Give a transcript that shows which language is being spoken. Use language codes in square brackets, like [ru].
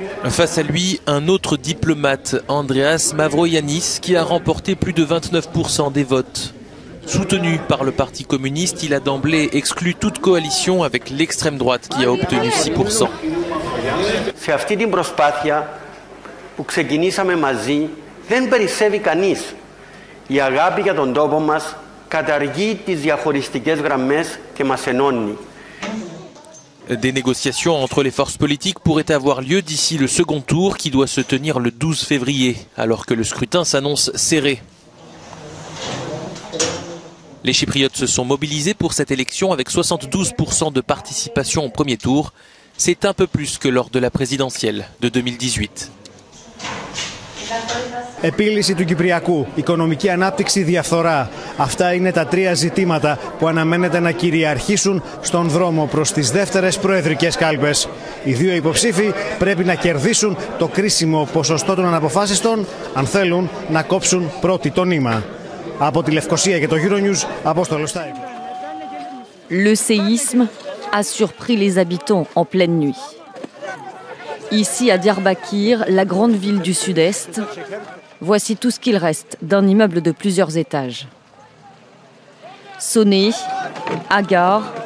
[fr] Face à lui, un autre diplomate, Andreas Mavroyiannis, qui a remporté plus de 29% des votes. Soutenu par le Parti communiste, il a d'emblée exclu toute coalition avec l'extrême droite qui a obtenu 6%. [el] Σε αυτή την προσπάθεια που ξεκινήσαμε μαζί, δεν περισσεύει κανείς. Η αγάπη για τον τόπο μας καταργεί τις διαχωριστικές γραμμές και μας ενώνει. [fr] Des négociations entre les forces politiques pourraient avoir lieu d'ici le second tour qui doit se tenir le 12 février, alors que le scrutin s'annonce serré. Les Chypriotes se sont mobilisés pour cette élection avec 72% de participation au premier tour. C'est un peu plus que lors de la présidentielle de 2018. [el] Επίλυση του Κυπριακού, οικονομική ανάπτυξη, διαφθορά. Αυτά είναι τα τρία ζητήματα που αναμένεται να κυριαρχήσουν στον δρόμο προς τις δεύτερες προεδρικές κάλπες. Οι δύο υποψήφοι πρέπει να κερδίσουν το κρίσιμο ποσοστό των αναποφάσιστων αν θέλουν να κόψουν πρώτη το νήμα. Από τη Λευκοσία και το Euronews, Απόστολος Στάιβος. [fr] Le séisme a surpris les habitants en pleine nuit. Ici à Diyarbakir, la grande ville du sud-est, voici tout ce qu'il reste d'un immeuble de plusieurs étages. Sonné, hagard,